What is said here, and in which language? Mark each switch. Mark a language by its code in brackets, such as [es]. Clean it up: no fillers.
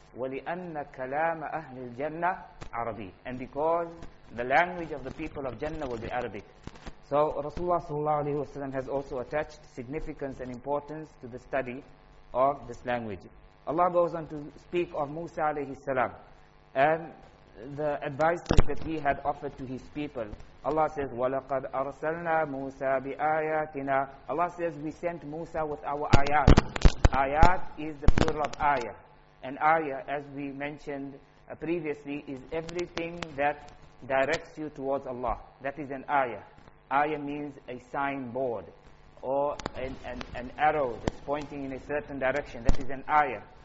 [ar] وَلِأَنَّ كَلَامَ أَهْلِ الْجَنَّةِ عَرَبِي, [en] and because the language of the people of Jannah will be Arabic. So Rasulullah sallallahu alayhi wa sallam has also attached significance and importance to the study of this language. Allah goes on to speak of Musa alayhi salam and the advice that he had offered to his people. Allah says, [ar] وَلَقَدْ أَرْسَلْنَا مُوسَى بِآيَاتِنَا. [en] Allah says, we sent Musa with our ayat. Ayat is the plural of ayah. And ayah, as we mentioned previously, is everything that directs you towards Allah. That is an ayah. Ayah means a signboard or an arrow that's pointing in a certain direction. That is an ayah.